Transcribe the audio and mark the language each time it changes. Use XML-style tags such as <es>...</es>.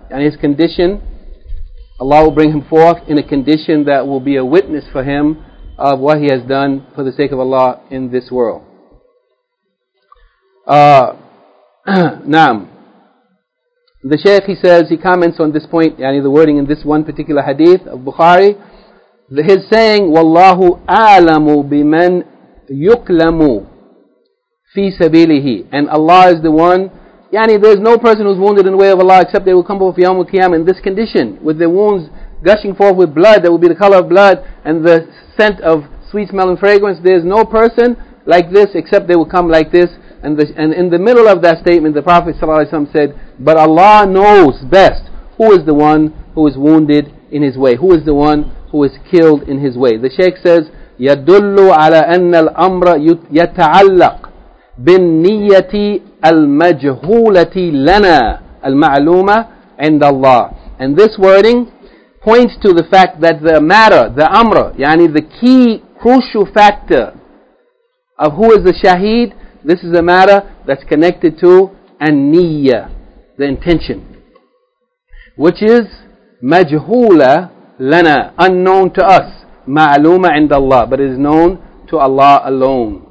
<en>And his condition, Allah will bring him forth in a condition that will be a witness for him of what he has done for the sake of Allah in this world. Naam. The Shaykh, he says, he comments on this point, yani the wording in this one particular hadith of Bukhari. His saying,</en> <ar>وَاللَّهُ أَعْلَمُ بِمَنْ يُقْلَمُ فِي سَبِيلِهِ.</ar> <en>And Allah is the one, yani there's no person who's wounded in the way of Allah except they will come before Yawm al-Qiyamah in this condition, with their wounds gushing forth with blood that will be the color of blood and the scent of sweet smelling fragrance. There's no person like this except they will come like this. And in the middle of that statement, the Prophet ﷺ said, but Allah knows best who is the one who is wounded in his way, who is the one who is killed in his way. The Shaykh says,</en> <ar>يَدُلُّ عَلَىٰ أَنَّ الْأَمْرَ يَتَعَلَّقُ. بالنية المجهولة لنا المعلومة عند الله.</ar> <en>And this wording points to the fact that the matter, the amr,</en> <ar>يعني</ar> <en>the key crucial factor of who is the shaheed, this is a matter that's connected to an-niyyah, the intention, which is</en> <ar>majhula lana,</ar> <en>unknown to us,</en> <ar>ma'luma عند</ar> <en>Allah, but is known to Allah alone.</en>